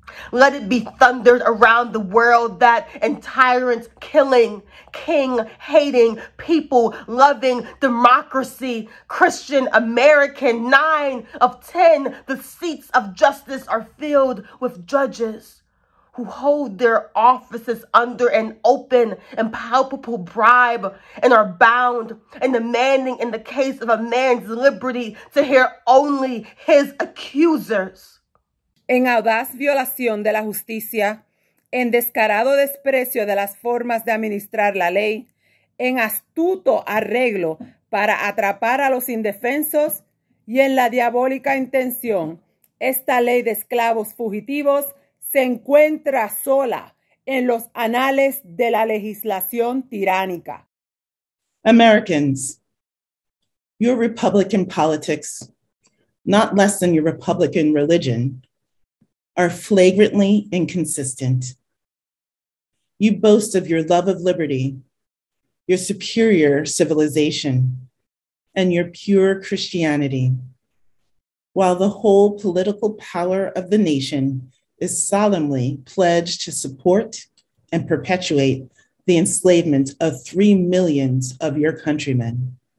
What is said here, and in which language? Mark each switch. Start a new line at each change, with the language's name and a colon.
English: Let it be thundered around the world that in tyrant killing, king hating, people loving democracy, Christian American, 9 of 10, the seats of justice are filled with judges who hold their offices under an open and palpable bribe and are bound and demanding in the case of a man's liberty to hear only his accusers.
Spanish: En audaz violación de la justicia, en descarado desprecio de las formas de administrar la ley, en astuto arreglo para atrapar a los indefensos y en la diabólica intención, esta ley de esclavos fugitivos se encuentra sola en los anales de la legislación tiránica.
English: Americans, your Republican politics, not less than your Republican religion, are flagrantly inconsistent. You boast of your love of liberty, your superior civilization, and your pure Christianity, while the whole political power of the nation is solemnly pledged to support and perpetuate the enslavement of 3 millions of your countrymen.